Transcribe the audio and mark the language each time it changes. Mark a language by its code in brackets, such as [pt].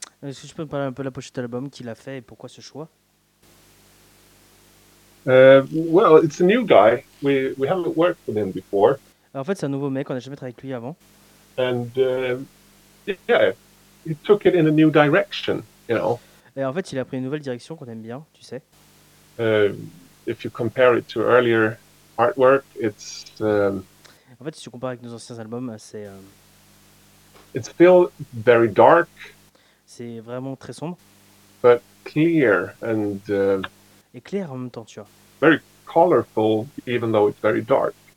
[fr] Est-ce que tu peux me parler un peu de la pochette d'album, qui l'a fait et pourquoi ce choix? [en] Well, it's a new guy. We haven't worked with him before. [fr] En fait, c'est un nouveau mec, on n'a jamais travaillé avec lui avant. [en] And yeah, he took it in a new direction, you know. [fr] Et en fait, il a pris une nouvelle direction qu'on aime bien, tu sais. [en] If you compare it to earlier artwork, it's. [fr] En fait, si tu compares avec nos anciens albums, c'est. [en] It's still very dark. [fr] C'est vraiment très sombre. [en] But clear and. [fr] Et clair en même temps, tu vois. [en] Very colorful, even though it's very dark.